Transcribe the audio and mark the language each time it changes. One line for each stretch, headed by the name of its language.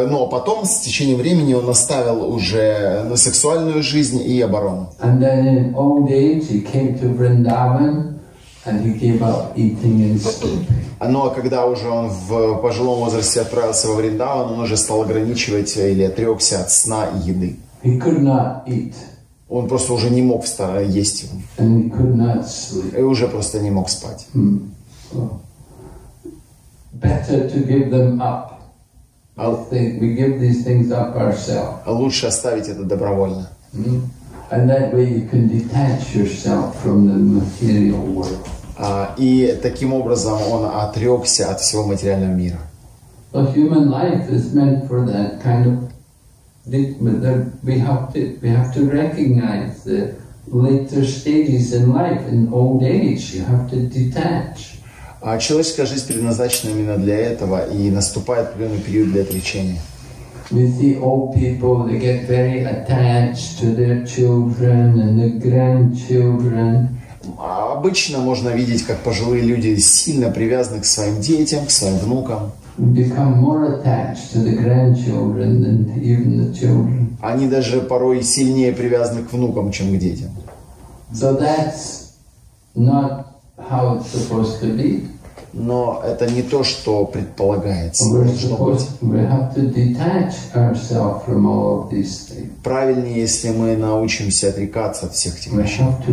Russian: Потом, с течением времени, он оставил уже на сексуальную жизнь и оборону.
English: And then in old age he came to Vrindavan and he gave up eating and sleeping.
Russian: Но когда уже он в пожилом возрасте отправился во Вриндаван, он уже стал ограничивать или отрекся от сна и еды.
English: He could not eat.
Russian: Он просто уже не мог есть.
English: And he could not sleep.
Russian: И уже просто не мог спать.
English: Hmm. So, better to give them up. I think we give these things up ourselves.
Russian: Лучше оставить это добровольно. Hmm.
English: And that way you can detach yourself from the material world.
Russian: И таким образом он отрекся от всего материального мира.
English: So human life is meant for that kind of. We have to recognize the later stages in life. In old age, you have to detach.
Russian: Человеческая жизнь предназначена именно для этого, и наступает определенный период для отречения.
English: We see old people, they get very attached to their children and their grandchildren.
Russian: Обычно можно видеть, как пожилые люди сильно привязаны к своим детям, к своим внукам.
English: Become more attached to the grandchildren than even the children.
Russian: Они даже порой сильнее привязаны к внукам, чем к детям.
English: So that's not how it's supposed to be.
Russian: Но это не то, что предполагается. Правильнее, если мы научимся отрекаться от всех этих вещей.